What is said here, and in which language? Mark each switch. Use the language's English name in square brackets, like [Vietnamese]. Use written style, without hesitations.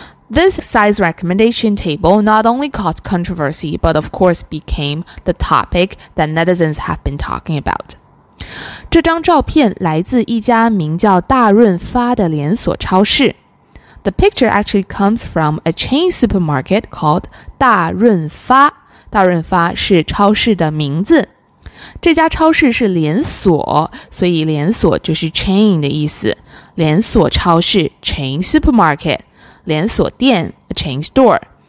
[English] This size recommendation table not only caused controversy, but of course became the topic that netizens have been talking about. [Chinese] 这张照片来自一家名叫大润发的连锁超市。 [English] The picture actually comes from a chain supermarket called 大润发。 [Chinese] 大润发是超市的名字。这家超市是连锁，所以连锁就是 chain 的意思。 [English] 连锁超市 chain supermarket。连锁店 a chain store.